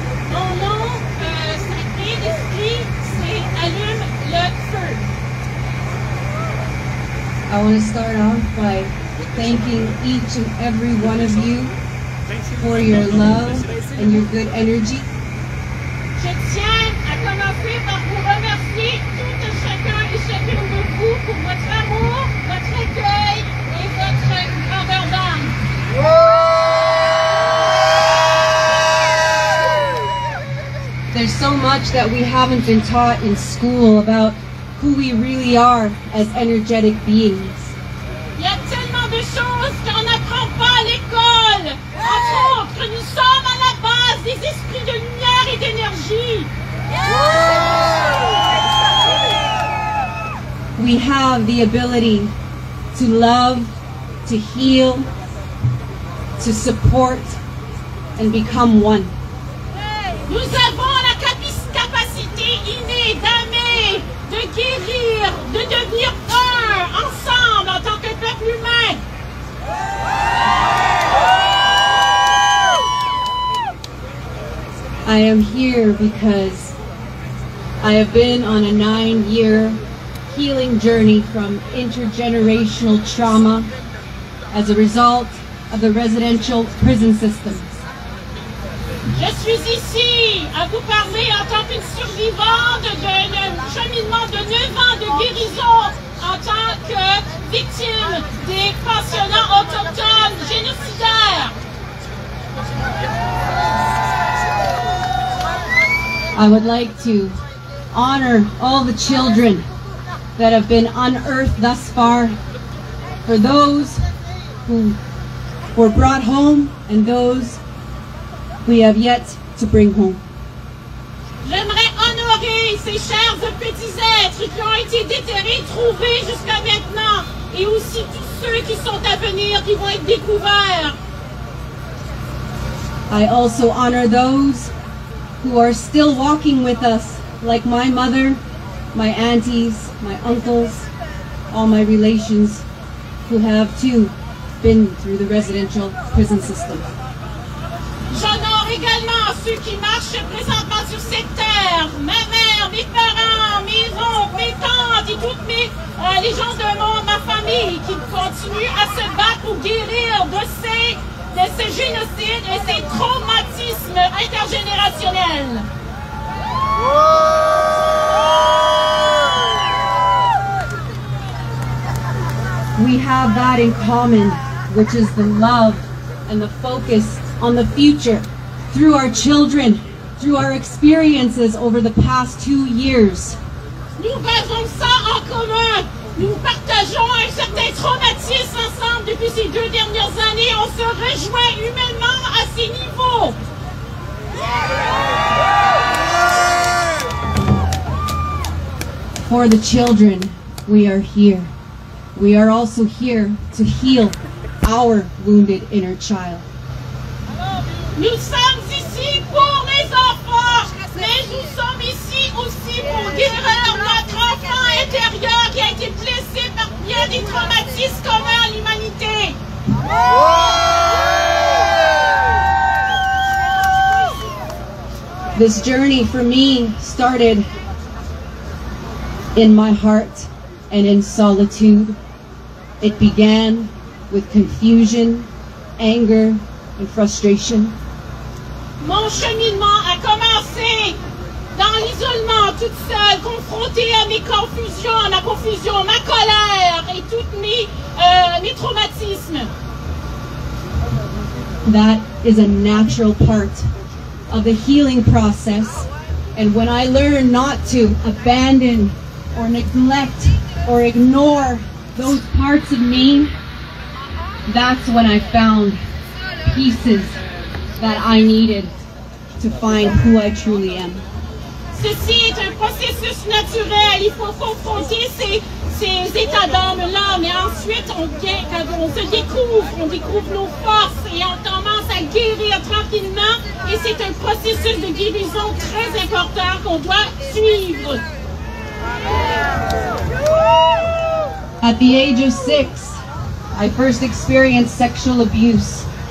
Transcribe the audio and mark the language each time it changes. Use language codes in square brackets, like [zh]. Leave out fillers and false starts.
[fr] Mon nom, sacré d'esprit, c'est allume le feu. [en] I want to start off by thanking each and every one of you for your love and your good energy. [fr] Je tiens à commencer par vous remercier tout et chacun et chacune de vous pour votre amour, votre accueil et votre grandeur d'âme. [en] There's so much that we haven't been taught in school about who we really are as energetic beings. [fr] Il y a tellement de choses qu'on n'apprend pas à l'école. Entre autres, nous sommes à la base des esprits de lumière et d'énergie. [en] We have the ability to love, to heal, to support, and become one. [fr] Nous avons la capacité innée d'aimer, de guérir, de devenir un ensemble en tant que peuple humain. [en] I am here because I have been on a 9-year healing journey from intergenerational trauma as a result of the residential prison system. [fr] Je suis ici à vous parler en tant qu'une survivante d'un cheminement de 9 ans de guérison en tant que victime des pensionnats autochtones génocidaires. [en] I would like to honor all the children that have been unearthed thus far, for those who were brought home and those we have yet to bring home. [fr] J'aimerais honorer ces chers petits êtres qui ont été déterrés, trouvés jusqu'à maintenant, et aussi tous ceux qui sont à venir, qui vont être découverts. [en] I also honor those who are still walking with us, like my mother, my aunties, my uncles, all my relations who have too been through the residential prison system. [fr] J'honore également ceux qui marchent présentement sur cette terre, ma mère, mes parents, mes oncles, mes tantes et toutes les gens de ma famille qui continuent à se battre pour guérir de ce génocide et ces traumatismes intergénérationnels. [en] We have that in common, which is the love and the focus on the future through our children, through our experiences over the past 2 years. [fr] Nous faisons ça en commun. Nous partageons un certain traumatisme ensemble depuis ces 2 dernières années. On se rejoint humainement à ces niveaux. [en] For the children, we are here. We are also here to heal our wounded inner child. [fr] Nous sommes ici pour les enfants, mais nous sommes ici aussi pour guérir notre enfant intérieur qui a été blessé par bien des traumatismes communs à l'humanité. [en] This journey for me started in my heart and in solitude. It began with confusion, anger, and frustration. [fr] Mon cheminement a commencé dans l'isolement, toute seule, confrontée à mes confusions, à ma confusion, ma colère et toutes mes traumatismes. [en] That is a natural part of the healing process. And when I learn not to abandon or neglect or ignore those parts of me, that's when I found pieces that I needed to find who I truly am. [fr] Ceci est un processus naturel. Il faut confronter ces états d'âme-là, mais ensuite on se découvre. On découvre nos forces et on commence à guérir tranquillement. Et c'est un processus de guérison très important qu'on doit suivre. [en] At the age of 6, I first experienced sexual abuse.